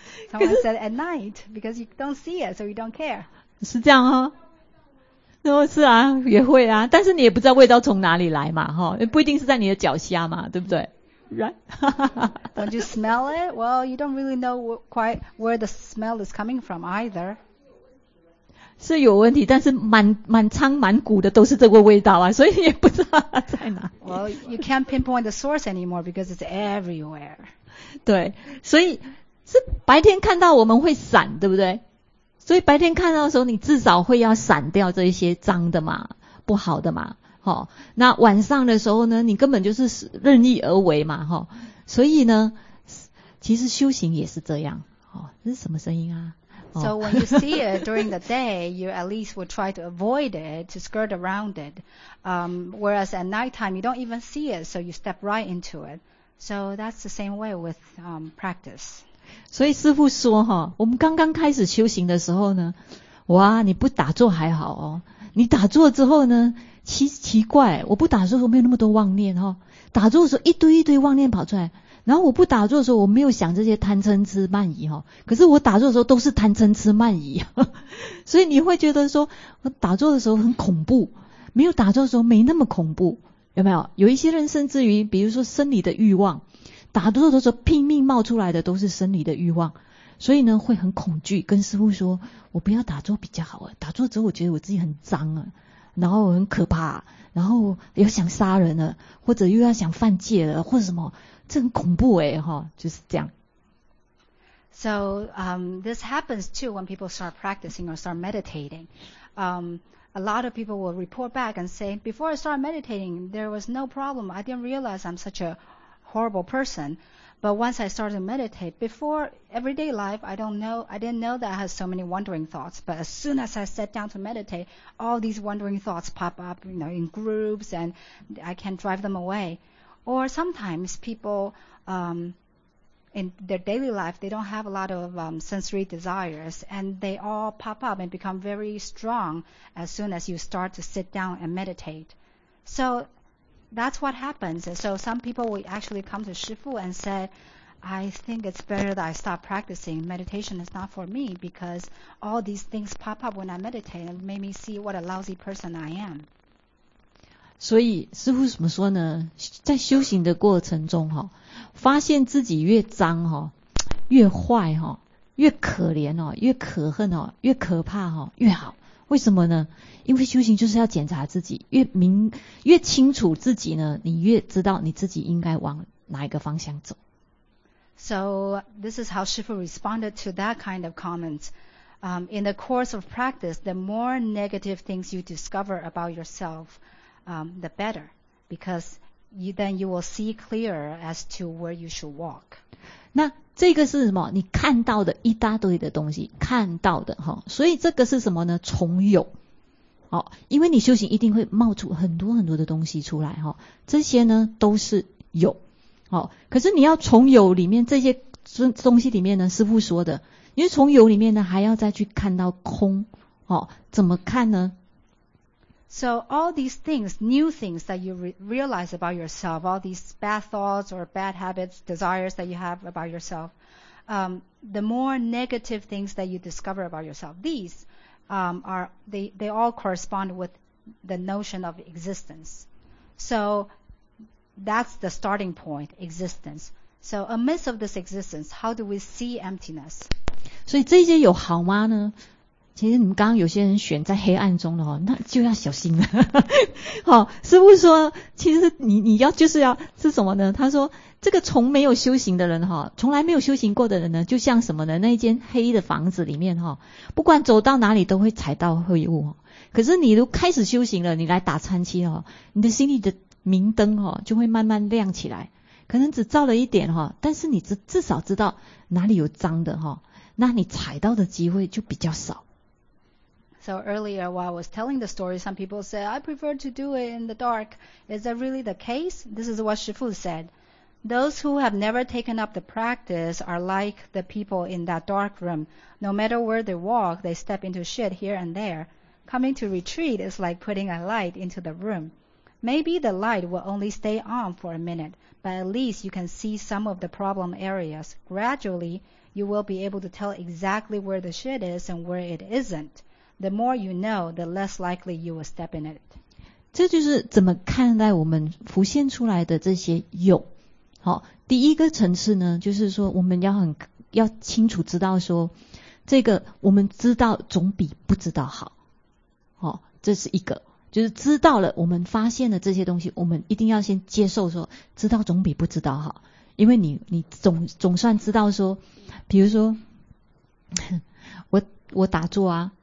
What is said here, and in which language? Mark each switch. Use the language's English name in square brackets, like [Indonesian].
[English] Someone said at night, because you don't see it, so you don't care. [Chinese] 是这样哦。哦，是啊，也会啊，但是你也不知道味道从哪里来嘛，哦，不一定是在你的脚下嘛，对不对？ [English] Right? Don't you smell it? Well, you don't really know quite where the smell is coming from either. [Chinese] 是有问题，但是满仓满谷的都是这个味道啊，所以也不知道它在哪。 [English] Well, you can't pinpoint the source anymore because it's everywhere. [Chinese] 对，所以是白天看到我们会闪，对不对？所以白天看到的时候，你至少会要闪掉这一些脏的嘛，不好的嘛，哈、哦。那晚上的时候呢，你根本就是任意而为嘛，哈、哦。所以呢，其实修行也是这样，哈、哦。这是什么声音啊？ [English] So when you see it during the day, you at least will try to avoid it, to skirt around it. Whereas at nighttime, you don't even see it, so you step right into it. So that's the same way with practice. [Chinese] 所以师父说，我们刚刚开始修行的时候呢，哇，你不打坐还好哦，你打坐之后呢，奇怪，我不打坐的时候没有那么多妄念哦，打坐的时候一堆一堆妄念跑出来，然后我不打坐的时候我没有想这些贪嗔痴慢疑哦，可是我打坐的时候都是贪嗔痴慢疑，所以你会觉得说我打坐的时候很恐怖，没有打坐的时候没那么恐怖，有没有？有一些人甚至于比如说生理的欲望，打坐的时候拼命冒出来的都是生理的欲望，所以呢会很恐惧，跟师父说我不要打坐比较好啊，打坐之后我觉得我自己很脏啊，然后很可怕，然后又想杀人了，或者又要想犯戒了，或者什么，这很恐怖诶，齁，就是这样。 [English] So, this happens too when people start practicing or start meditating. A lot of people will report back and say, before I started meditating, there was no problem. I didn't realize I'm such a horrible person. But once I started to meditate, before everyday life, I didn't know that I had so many wandering thoughts. But as soon as I sat down to meditate, all these wandering thoughts pop up, you know, in groups, and I can't drive them away. Or sometimes people, in their daily life, they don't have a lot of sensory desires, and they all pop up and become very strong as soon as you start to sit down and meditate. So that's what happens. So some people will actually come to Shifu and say, I think it's better that I stop practicing. Meditation is not for me because all these things pop up when I meditate and made me see what a lousy person I am. [Chinese] 所以师父怎么说呢，在修行的过程中齁，发现自己越脏齁，越坏齁，越可怜齁，越可恨齁，越可怕齁，越好。为什么呢？因为修行就是要检查自己，越清楚自己呢，你越知道你自己应该往哪一个方向走。 [English] So, this is how Shifu responded to that kind of comments. In the course of practice, the more negative things you discover about yourself, the better. Because then you will see clearer as to where you should walk. [Chinese] 那这个是什么？你看到的一大堆的东西，看到的齁。所以这个是什么呢？从有。齁，因为你修行一定会冒出很多很多的东西出来齁。这些呢都是有。齁，可是你要从有里面这些东西里面呢，师父说的，因为从有里面呢还要再去看到空齁，怎么看呢？ [English] So all these things, new things that you realize about yourself, all these bad thoughts or bad habits, desires that you have about yourself, the more negative things that you discover about yourself, these they all correspond with the notion of existence. So that's the starting point, existence. So amidst of this existence, how do we see emptiness? [Chinese] 所以这些有好吗呢？其实你们刚刚有些人选在黑暗中的，那就要小心了。师父说其实你要就是要是什么呢，他说这个从没有修行的人，从来没有修行过的人呢，就像什么呢，那一间黑的房子里面不管走到哪里都会踩到灰雾，可是你都开始修行了，你来打禅期，你的心里的明灯就会慢慢亮起来，可能只照了一点，但是你至少知道哪里有脏的，那你踩到的机会就比较少。 [English] So earlier while I was telling the story, some people said, I prefer to do it in the dark. Is that really the case? This is what Shifu said. Those who have never taken up the practice are like the people in that dark room. No matter where they walk, they step into shit here and there. Coming to retreat is like putting a light into the room. Maybe the light will only stay on for a minute, but at least you can see some of the problem areas. Gradually, you will be able to tell exactly where the shit is and where it isn't. The more you know, the less likely you will step in it. [Chinese] 这就是怎么看待我们浮现出来的这些有。好，第一个层次呢，就是说我们要清楚知道说，这个我们知道总比不知道好。好，这是一个，就是知道了，我们发现了这些东西，我们一定要先接受说，知道总比不知道好，因为你总算知道说，比如说我打坐啊。